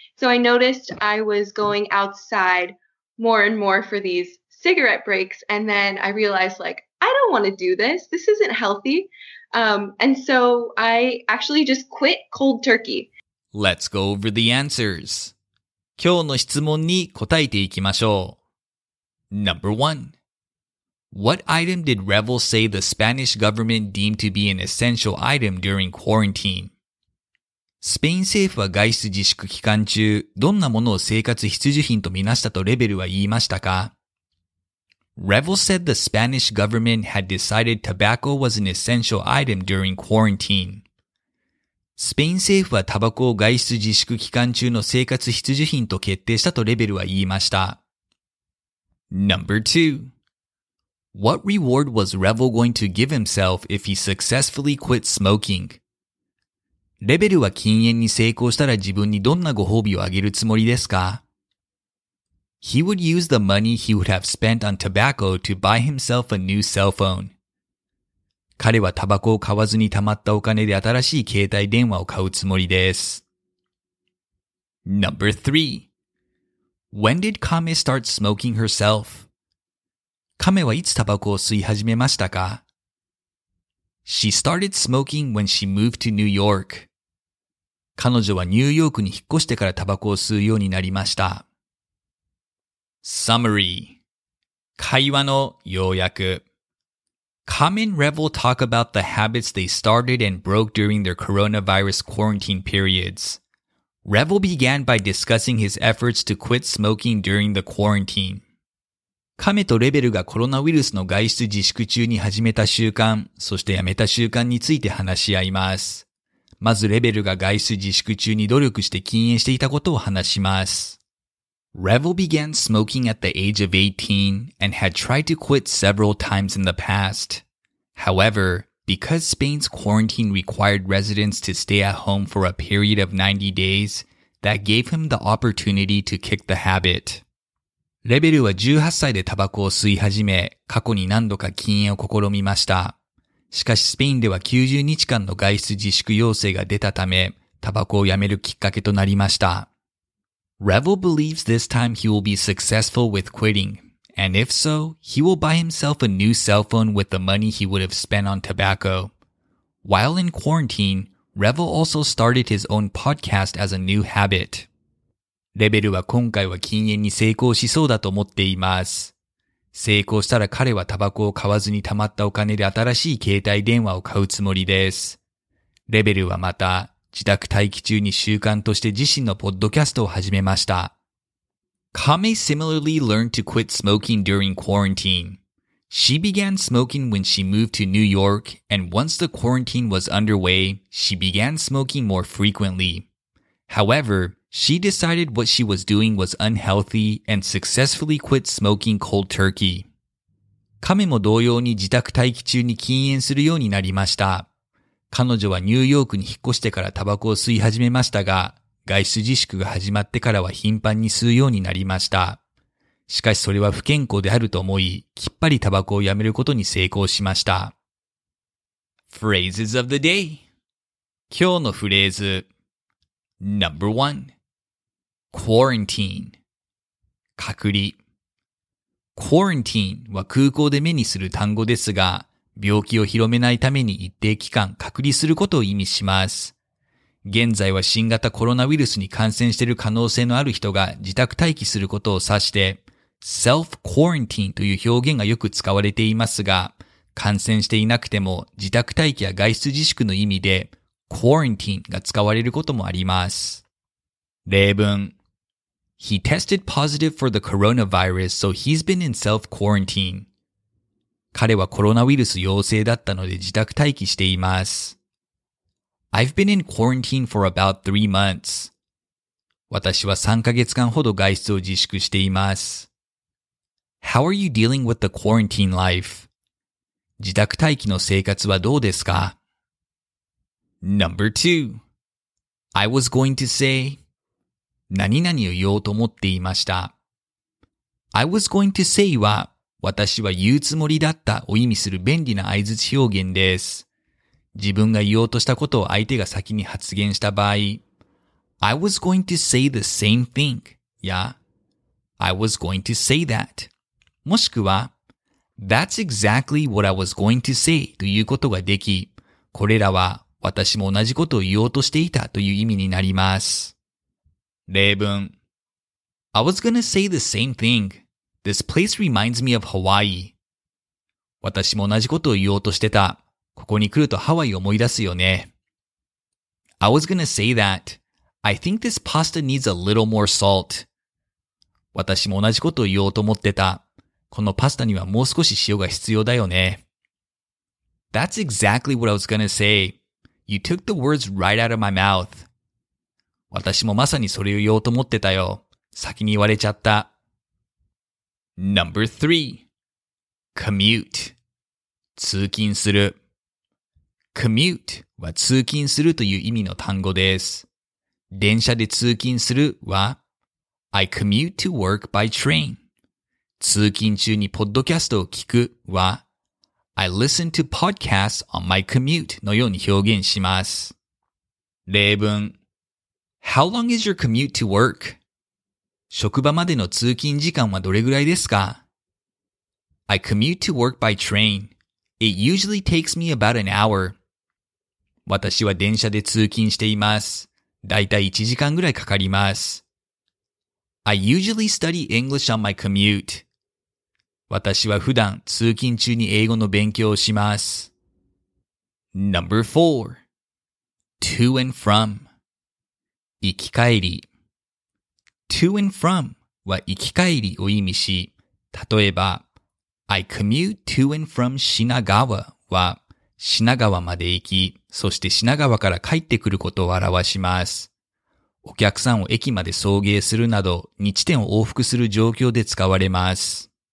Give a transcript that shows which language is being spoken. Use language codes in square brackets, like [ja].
[en] So I noticed I was going outside more and more for these cigarette breaks. And then I realized like, I don't want to do this. This isn't healthy. And so I actually just quit cold turkey. Let's go over the answers. [ja] 今日の質問に答えていきましょう。 [en] Number one. What item did Revel say the Spanish government deemed to be an essential item during quarantine? [ja] スペイン政府は外出自粛期間中、どんなものを生活必需品とみなしたとレベルは言いましたか? [en] Revel said the Spanish government had decided tobacco was an essential item during quarantine. [ja] スペイン政府はタバコを外出自粛期間中の生活必需品と決定したとレベルは言いました。 [en] Number 2. What reward was Revel going to give himself if he successfully quit smoking? [ja] レベルは禁煙に成功したら自分にどんなご褒美をあげるつもりですか? [en] He would use the money he would have spent on tobacco to buy himself a new cell phone. [ja] 彼はタバコを買わずに貯まったお金で新しい携帯電話を買うつもりです。 [en] Number 3. When did Kame start smoking herself? [ja] Kame はいつタバコを吸い始めましたか? [en] She started smoking when she moved to New York. [ja] 彼女はニューヨークに引っ越してからタバコを吸うようになりました。 [en] Summary. [ja] 会話の要約。 [en] Kame and Revel talk about the habits they started and broke during their coronavirus quarantine periods. Revel began by discussing his efforts to quit smoking during the quarantine. [ja] Kame とレベルがコロナウイルスの外出自粛中に始めた習慣、そしてやめた習慣について話し合います。まずレベルが外出自粛中に努力して禁煙していたことを話します。 [en] Revel began smoking at the age of 18 and had tried to quit several times in the past. However, because Spain's quarantine required residents to stay at home for a period of 90 days, that gave him the opportunity to kick the habit. [ja] レベルは18歳でタバコを吸い始め、過去に何度か禁煙を試みました。しかしスペインでは90日間の外出自粛要請が出たため、タバコをやめるきっかけとなりました。 [en] Revel believes this time he will be successful with quitting, and if so, he will buy himself a new cell phone with the money he would have spent on tobacco. While in quarantine, Revel also started his own podcast as a new habit. [ja] レベルは今回は禁煙に成功しそうだと思っています。成功したら彼はタバコを買わずに貯まったお金で新しい携帯電話を買うつもりです。レベルはまた、自宅待機中に習慣として自身のポッドキャストを始めました。 [en] Kame similarly learned to quit smoking during quarantine. She began smoking when she moved to New York, and once the quarantine was underway, she began smoking more frequently. However, she decided what she was doing was unhealthy and successfully quit smoking cold turkey. [ja] Kame も同様に自宅待機中に禁煙するようになりました。彼女はニューヨークに引っ越してからタバコを吸い始めましたが、外出自粛が始まってからは頻繁に吸うようになりました。しかしそれは不健康であると思い、きっぱりタバコをやめることに成功しました。 [en] Phrases of the day. [ja] 今日のフレーズ。 [en] Number one. Quarantine. [ja] 隔離。 Quarantine は空港で目にする単語ですが、病気を広めないために一定期間隔離することを意味します。現在は新型コロナウイルスに感染している可能性のある人が自宅待機することを指して、 self-quarantine という表現がよく使われていますが、感染していなくても自宅待機や外出自粛の意味で、quarantine が使われることもあります。例文。 [en] He tested positive for the coronavirus, so he's been in self-quarantine. [ja] 彼はコロナウイルス陽性だったので自宅待機しています。 [en] I've been in quarantine for about 3 months. [ja] 私は3ヶ月間ほど外出を自粛しています。 [en] How are you dealing with the quarantine life? [ja] 自宅待機の生活はどうですか? [en] Number two. I was going to say [ja] 何々を言おうと思っていました。 [en] I was going to say は [ja] 私は言うつもりだったを意味する便利な相槌表現です。自分が言おうとしたことを相手が先に発言した場合、 [en] I was going to say the same thing [ja] や、 [en] I was going to say that [ja] もしくは、 [en] That's exactly what I was going to say [ja] ということができ、これらは私も同じことを言おうとしていたという意味になります。 [en] 例文 I was going to say the same thingThis place reminds me of Hawaii. [ja] 私も同じことを言おうとしてた。ここに来るとハワイを思い出すよね。 [en] I was gonna say that. I think this pasta needs a little more salt. [ja] 私も同じことを言おうと思ってた。このパスタにはもう少し塩が必要だよね。 [en] That's exactly what I was gonna say. You took the words right out of my mouth. [ja] 私もまさにそれを言おうと思ってたよ。先に言われちゃった。 [en] Number three, commute. [ja] 通勤する。 commute は通勤するという意味の単語です。電車で通勤するは、 [en] I commute to work by train. [ja] 通勤中にポッドキャストを聞くは、 [en] I listen to podcasts on my commute [ja] のように表現します。例文。 [en] How long is your commute to work? [ja] 職場までの通勤時間はどれぐらいですか? [en] I commute to work by train. It usually takes me about an hour. [ja] 私は電車で通勤しています。だいたい1時間ぐらいかかります。 [en] I usually study English on my commute. [ja] 私は普段通勤中に英語の勉強をします。 [en] Number four. To and from. [ja] 行き帰り。 To and from は行き帰りを意味し、例えば、 [en] I commute to and from 品川 [ja] は品川まで行き、そして品川から帰ってくることを表します。お客さんを駅まで送迎するなど、日点を往復する状況で使われます。